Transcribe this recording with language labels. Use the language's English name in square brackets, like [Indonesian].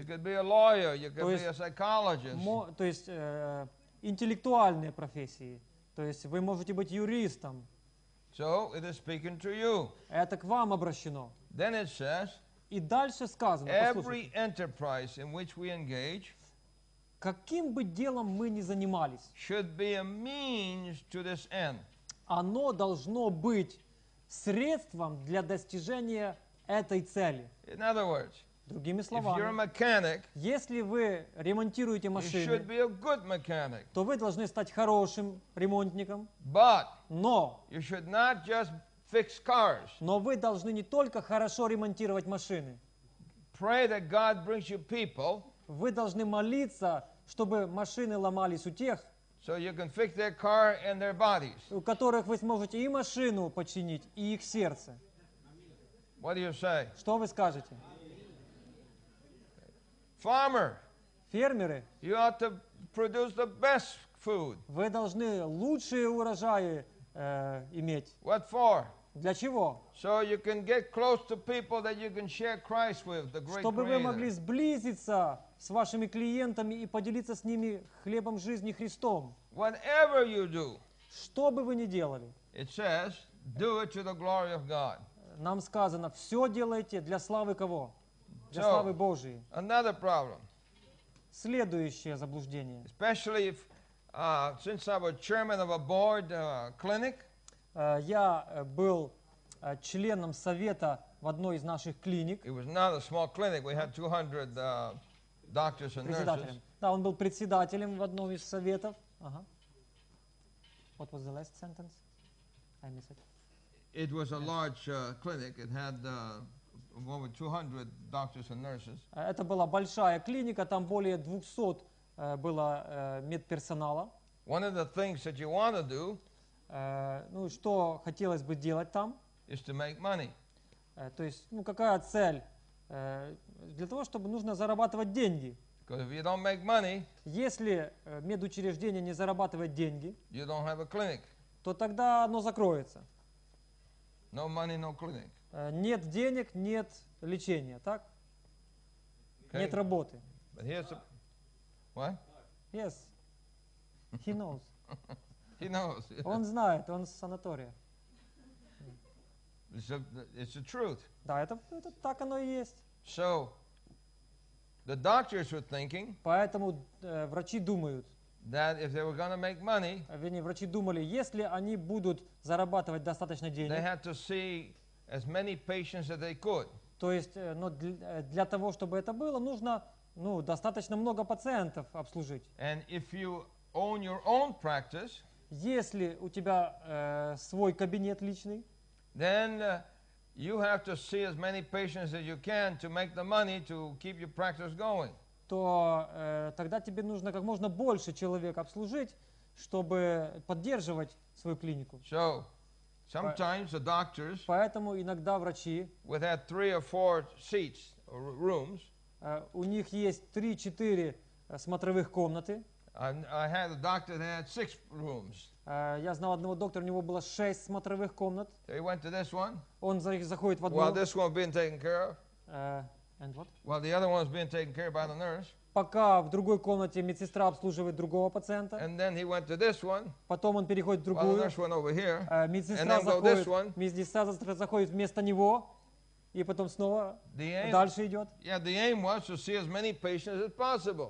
[English] You could be a lawyer, you could be a psychologist. [Russian] То есть интеллектуальные профессии. То есть вы можете быть юристом. [English] So it is speaking to you. [Russian] Это к вам обращено. [English] Then it says. [Russian] И дальше сказано. [English] Every enterprise in which we engage. [Russian] Каким бы делом мы ни занимались, [English] should be a means to this end. [Russian] Оно должно быть средством для достижения этой цели. [English] In other words, [Russian] другими словами, [English] if you're a mechanic, [Russian] если вы ремонтируете машины, [English] you should be a good mechanic. [Russian] То вы должны стать хорошим ремонтником. [English] But [Russian] но [English] you should not just fix cars. [Russian] Но вы должны не только хорошо ремонтировать машины. [English] Pray that God brings you people. [Russian] Вы должны молиться, чтобы машины ломались у тех, [English] so you can fix their car and their bodies. [Russian] У которых вы сможете и машину починить, и их сердце. [English] What do you say? [Russian] Что вы скажете? [English] Farmer, [Russian] фермеры, [English] you ought to produce the best food. [Russian] Вы должны лучшие урожаи иметь. [English] What for? [Russian] Для чего? [English] So you can get close to people that you can share Christ with, the great [Russian] чтобы [English] creator. [Russian] Вы могли сблизиться с вашими клиентами и поделиться с ними хлебом жизни Христом. [English] Whatever you do, [Russian] что бы вы ни делали, [English] it says, do it to the glory of God. [Russian] Нам сказано, все делайте для славы кого? Для [English] so, [Russian] славы Божьей. [English] Another problem. [Russian] Следующее заблуждение. [English] Especially if, since I was chairman of a board clinic, [Russian] я был членом совета в одной из наших клиник. [English] It was not a small clinic. We had 200 doctors and [Russian] председателем. [English] Nurses. [Russian] Да, он был председателем в одном из советов. [English] What was the last sentence? I missed it. It was a large clinic. It had over 200 doctors and nurses. [Russian] Это была большая клиника, там более 200 было медперсонала. [English] One of the things that you want to do. [Russian] Ну, что хотелось бы делать там? Is to make money. То есть, ну, какая цель? Для того, чтобы нужно зарабатывать деньги. [English] Because if you don't make money, [Russian] если медучреждение не зарабатывает деньги, [English] you don't have a clinic. [Russian] То тогда оно закроется. [English] No money, no clinic. [Russian] Нет денег, нет лечения, так? [English] Okay. [Russian] Нет работы. [English] But here's a... What? Yes. He knows. He knows. [Russian] Он знает, он с санатория. [English] It's the truth. [Russian] Да, это так оно и есть. [English] So, the doctors were thinking. [Russian] Поэтому врачи думают. [English] That if they were going to make money. [Russian] Вернее, врачи думали, если они будут зарабатывать достаточно денег. [English] They had to see as many patients as they could. [Russian] То есть, но для того, чтобы это было, нужно, ну, достаточно много пациентов обслужить. [English] And if you own your own practice. [Russian] Если у тебя свой кабинет личный, [English] then you have to see as many patients as you can to make the money to keep your practice going. [Russian] то тогда тебе нужно как можно больше человек обслужить, чтобы поддерживать свою клинику. [English] So, sometimes the doctors, [Russian] поэтому иногда врачи, [English] with that three or four seats, rooms, [Russian] у них есть 3-4 смотровых комнаты. [English] I had a doctor that had 6 rooms. [Russian] Я знал одного доктора, у него было 6 смотровых комнат. [English] So he went to this one. [Russian] Он заходит в одну. [English] While this one being taken care of. And what? While the other one was being taken care of by the nurse. [Russian] Пока в другой комнате медсестра обслуживает другого пациента. [English] And then he went to this one. [Russian] Потом он переходит в другую. [English] While the nurse went over here. [Russian] Медсестра заходит. Медсестра заходит вместо него. И потом снова дальше идет. [English] Yeah, the aim was to see as many patients as possible.